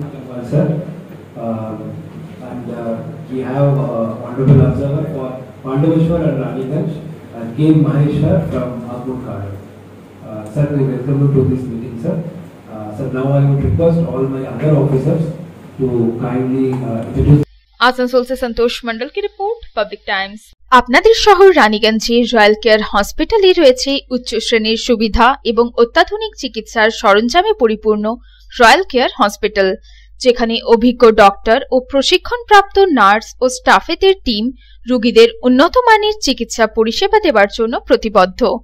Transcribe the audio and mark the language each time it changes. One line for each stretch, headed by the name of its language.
English: And we have a honorable observer for Pandaveshwar and Raniganj, and K. Maheshwar from Agur Kadal. Sir, we welcome you to this meeting, sir. Sir, now I would request all my other officers to kindly introduce.
Hindi: Asansol से संतोष मंडल की report, public times.
Bangla: আপনাদের শহর রানীগঞ্জে royal care হসপিটালে রয়েছে উচ্চ শ্রেণীর সুবিধা এবং অত্যাধুনিক চিকিৎসার সরঞ্জামে পরিপূর্ণ রয়্যাল কেয়ার হসপিটাল, যেখানে অভিজ্ঞ ডক্টর ও প্রশিক্ষণপ্রাপ্ত নার্স ও স্টাফেদের টিম রোগীদের উন্নত মানের চিকিৎসা পরিষেবা দেওয়ার জন্য প্রতিবদ্ধ।